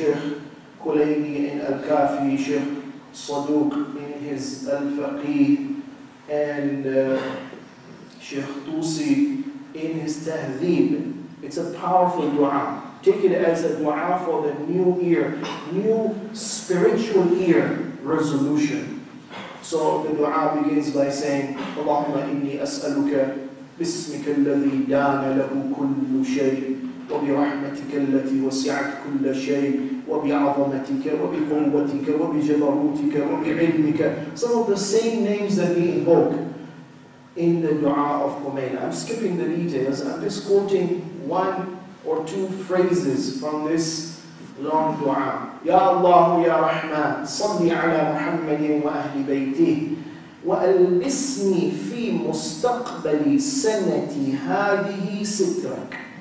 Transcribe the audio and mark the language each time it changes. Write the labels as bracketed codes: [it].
[en] Sheikh Kulaini in Al-Kafi, Sheikh Saduq in his Al-Faqih, and Sheikh Tusi in his Tahdhib. It's a powerful dua. Take it as a dua for the new year, new spiritual year resolution. So the dua begins by saying, [ar] Allahumma inni as'aluka بسمك الذي دان له كل شيء وبرحمتك التي وسعت كل شيء وبعظمتك وبقوتك وبجبروتك وبعلمك. [en] Some of the same names that we invoke in the dua of Khomeini. I'm skipping the details. I'm just quoting one or two phrases from this long dua. [ar] Ya Allah, Ya Rahman, salli ala Muhammadin wa ahli baytih. وَأَلْبِسْنِي فِي مُسْتَقْبَلِ سَنَةِ هَذِهِ سِتْرَكَ.